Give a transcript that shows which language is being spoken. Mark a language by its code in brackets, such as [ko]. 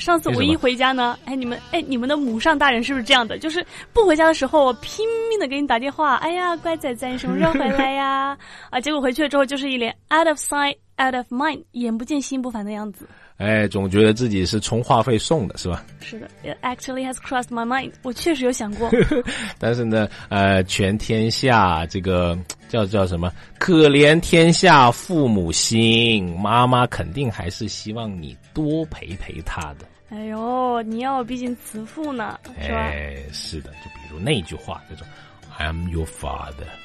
[zh] 上次我一回家呢，哎，你们的母上大人是不是这样的，就是不回家的时候我拼命的给你打电话，哎呀乖仔仔你什么时候回来呀。啊，结果回去了之后就是一脸 [en] out of sight out of mind， [zh] 眼不见心不烦的样子。哎，总觉得自己是充话费送的是吧。是的， [en] It actually has crossed my mind， [zh] 我确实有想过。但是呢全天下这个叫什么，可怜天下父母心，妈妈肯定还是希望你多陪陪她的。哎呦，你要毕竟慈父呢是吧。哎，是的，就比如那句话叫做 [en] I'm your father。